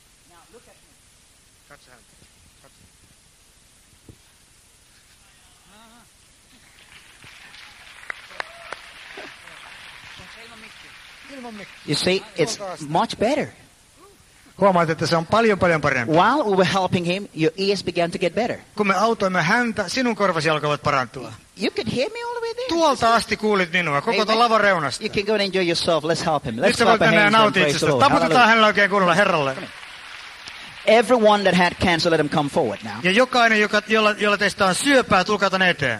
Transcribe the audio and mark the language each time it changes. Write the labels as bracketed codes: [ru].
[en] Now look at me. Touch him. You see, it's much better. [fi] Huomaat, että se on paljon, paljon parempi. [en] While we were helping him, your ears began to get better. [fi] Kun me autoimme häntä, sinun korvasi alkoivat parantua. [en] You could hear me all the way there. [fi] Tuolta asti kuulit minua, koko tuon lavan reunasta. [en] You can go and enjoy yourself. Let's help him. Let's clap our hands and praise the Lord. [fi] Taputetaan hänellä oikein kunnolla, Herralle. [en] Everyone that had cancer, let him come forward now. [fi] Ja jokainen, jolla teistä on syöpää, tulkaa tänne eteen.